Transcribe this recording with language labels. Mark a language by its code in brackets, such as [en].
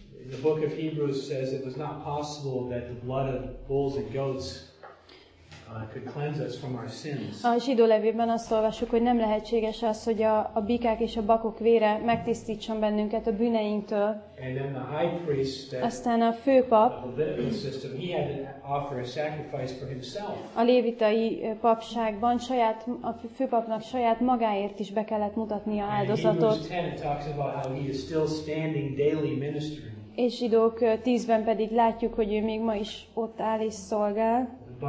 [en] The book of Hebrews says it was not possible that the blood of bulls and goats could cleanse us from our sins. [hu] A zsidó levélben azt olvassuk, hogy nem lehetséges az, hogy a bikák és a bakok vére megtisztítson bennünket a bűneinktől. [en] And then the high priest, [hu] aztán a főpap, [en] he had to offer a sacrifice for himself. [hu] A lévitai papságban saját, a főpapnak saját magáért is be kellett mutatni a áldozatot. [en] And in Hebrews 10 it talks about how he is still standing daily ministering. [hu] És Zsidók 10-ben pedig látjuk, hogy ő még ma is ott áll és szolgál.